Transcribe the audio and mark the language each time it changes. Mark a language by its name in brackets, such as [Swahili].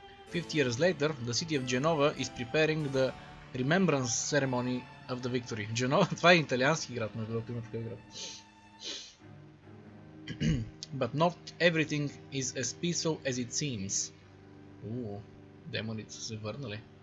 [English] Fifty years later, the city of Genova is preparing the remembrance ceremony of the victory. [Bulgarian] Genova, това е италиански град, на Европа има такъв град. [English] But not everything is as peaceful as it seems. [Bulgarian] Демоните се върнали.